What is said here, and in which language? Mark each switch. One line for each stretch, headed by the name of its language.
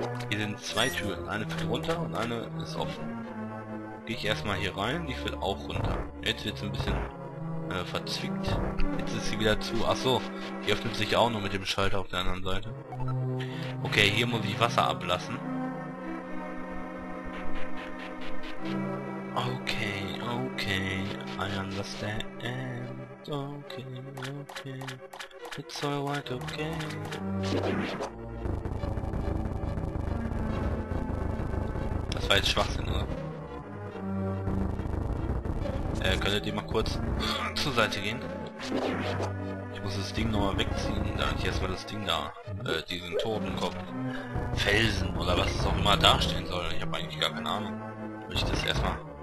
German: Hier sind zwei Türen. Eine führt runter und eine ist offen. Gehe ich erstmal hier rein, die führt auch runter. Jetzt wird es ein bisschen verzwickt. Jetzt ist sie wieder zu. Achso, die öffnet sich auch noch mit dem Schalter auf der anderen Seite. Okay, hier muss ich Wasser ablassen.
English: Okay, okay, I understand, okay, okay, it's alright, okay.
German: Das war jetzt Schwachsinn, oder? Könntet ihr mal kurz zur Seite gehen? Ich muss das Ding nochmal wegziehen, da ich erstmal das Ding da, diesen Totenkopf, Felsen oder was es auch immer dastehen soll, ich habe eigentlich gar keine Ahnung. Ich das erstmal.